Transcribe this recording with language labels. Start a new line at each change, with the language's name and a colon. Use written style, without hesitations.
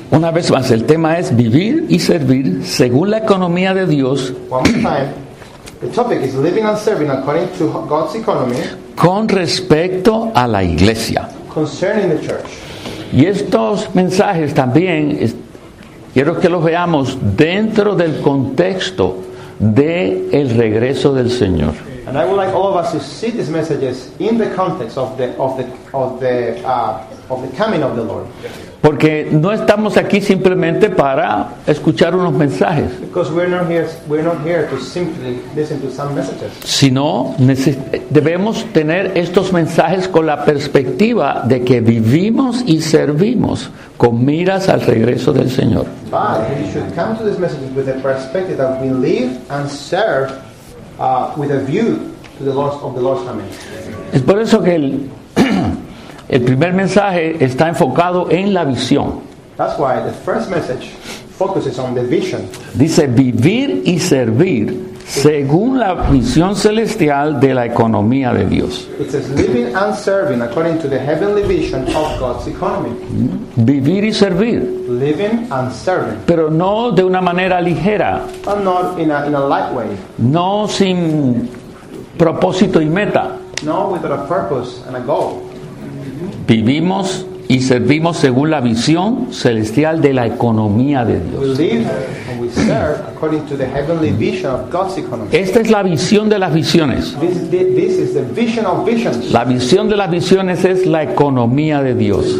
Spanish: Una vez más, el tema es vivir y servir según la economía de Dios.
English: One more time, the topic is living and serving according to God's economy.
Spanish: Con respecto a la iglesia.
English: Concerning the church.
Spanish: Y estos mensajes también, quiero que los veamos dentro del contexto de el regreso del Señor.
English: And I would like all of us to see these messages in the context of the coming of the Lord.
Spanish: Porque no estamos aquí simplemente para escuchar unos mensajes.
English: Because we're not here to simply listen to some messages.
Spanish: Sino debemos tener estos mensajes con la perspectiva de que vivimos y servimos con miras al regreso del Señor.
English: But we should come to these messages with the perspective that we live and serve with a view to the loss of the Lord's coming.
Spanish: Es por eso que el primer mensaje está enfocado en la visión.
English: That's why the first message focuses on the vision.
Spanish: Dice vivir y servir según la visión celestial de la economía de Dios.
English: It says living and serving according to the heavenly vision of God's economy.
Spanish: Vivir y servir.
English: Living and serving.
Spanish: Pero no de una manera ligera.
English: But not in a light way.
Spanish: No sin propósito y meta.
English: No without a purpose and a goal.
Spanish: Vivimos y servimos según la visión celestial de la economía de Dios.
English: We live and we serve according to the heavenly vision of God's economy.
Spanish: Esta es la visión de las visiones.
English: This is the vision of visions.
Spanish: La visión de las visiones es la economía de Dios.